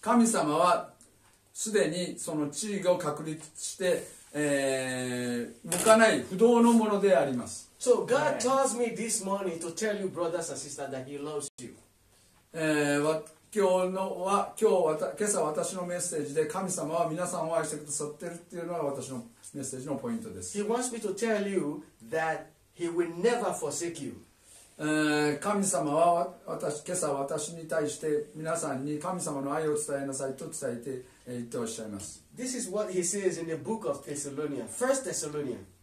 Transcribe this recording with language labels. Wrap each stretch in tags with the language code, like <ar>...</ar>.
<ja>神様はすでにその地位を確立して、向かない不動のものであります。</ja> <en>So God tells me this morning to tell you brothers and sisters that He loves you.</en> <ja>今朝私のメッセージで神様は皆さんを愛してくださってるっていうのが私のメッセージのポイントです。</ja> <en>He wants me to tell you that He will never forsake you.</en> <ja>神様は今朝私に対して皆さんに神様の愛を伝えなさいと伝えて言っておっしゃいます。</ja> <en>This is what he says in the book of Thessalonians, First Thessalonians.</en>